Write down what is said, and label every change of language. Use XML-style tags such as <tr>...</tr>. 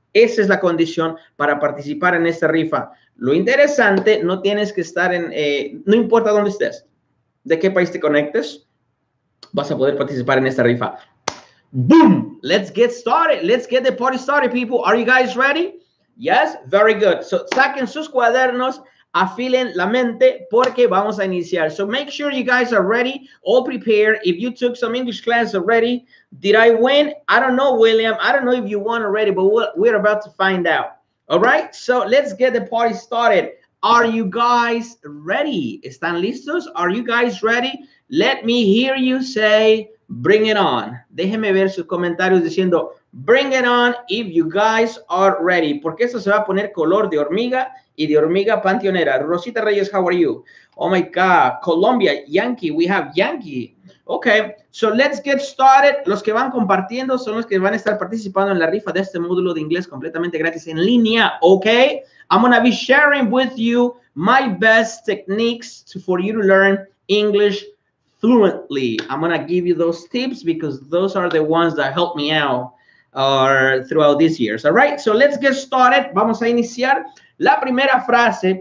<es>Esa es la condición para participar en esta rifa. Lo interesante, no tienes que estar en, no importa dónde estés, de qué país te conectes, vas a poder participar en esta rifa.</es> <en>¡Boom! Let's get started. Let's get the party started, people. Are you guys ready? Yes? Very good.</en> <es>So, saquen sus cuadernos, afilen la mente, porque vamos a iniciar.</es> <en>So, make sure you guys are ready, all prepared. If you took some English class already, did I win? I don't know, William. I don't know if you won already, but we're about to find out. All right, so let's get the party started. Are you guys ready?</en> <es>¿Están listos?</es> <en>Are you guys ready? Let me hear you say, bring it on.</en> <es>Déjenme ver sus comentarios diciendo,</es> <en>bring it on if you guys are ready.</en> <es>Porque eso se va a poner color de hormiga y de hormiga panteonera.</es> <en>Rosita Reyes, how are you? Oh my God, Colombia, Yankee, we have Yankee. Okay, so let's get started.</en> <es>Los que van compartiendo son los que van a estar participando en la rifa de este módulo de inglés completamente gratis en línea, okay?</es> <en>I'm gonna be sharing with you my best techniques for you to learn English fluently. I'm gonna give you those tips because those are the ones that helped me out throughout these years, all right? So let's get started.</en> <es>Vamos a iniciar la primera frase.</es>